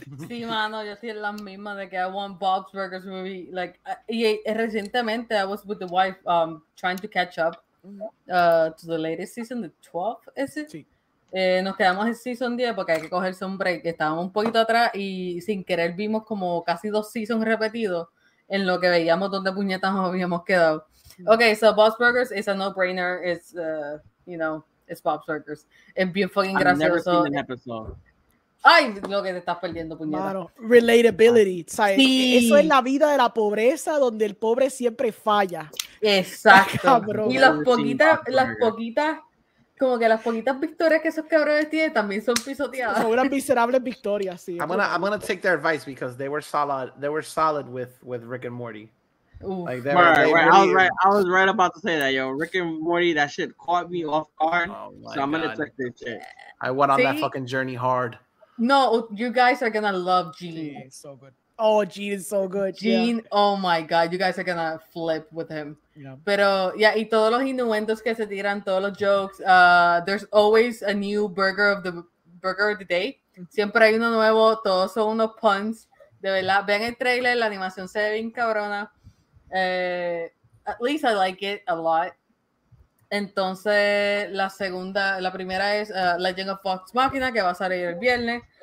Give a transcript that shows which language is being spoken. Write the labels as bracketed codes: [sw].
[es] Sí, mano, yo estoy la misma de que [en] I want Bob's Burgers movie. Like, [es] recientemente [en] I was with the wife trying to catch up to the latest season, the 12th, is it? [es] Sí. Nos quedamos en season 10 porque hay que cogerse un break. Estábamos un poquito atrás y sin querer vimos como casi dos seasons repetidos en lo que veíamos donde puñetas nos habíamos quedado. [en] Okay, so Bob's Burgers is a no-brainer. It's, you know, it's Bob's Burgers. [es] Es bien fucking gracioso. [en] I've never seen an episode. [es] Ay, lo que te estás perdiendo, puñeta. Claro. Relatability. O sea, sí. Eso es la vida de la pobreza donde el pobre siempre falla. Exacto. Ay, y las poquitas como que las poquitas victorias que esos cabrones tienen también son pisoteadas. Son unas miserables victorias, sí. [en] I'm gonna take their advice because they were solid with Rick and Morty. Like I was right about to say that, yo. Rick and Morty, that shit caught me off guard. Oh, so I'm gonna take this shit. I went on that fucking journey hard. No, you guys are gonna love Gene. Gene is so good. Oh, Gene is so good. Gene, yeah. Oh my god, you guys are gonna flip with him. Yeah. [es] Pero, yeah, y todos los innuendos que se tiran, todos los jokes. [en] There's always a new burger of the day. [es] Siempre hay uno nuevo, todos son unos puns. De verdad, ven el trailer, la animación se ve bien cabrona. [en] At least I like it a lot. [es] Entonces, la primera es Legend of Vox Machina, que va a salir el viernes.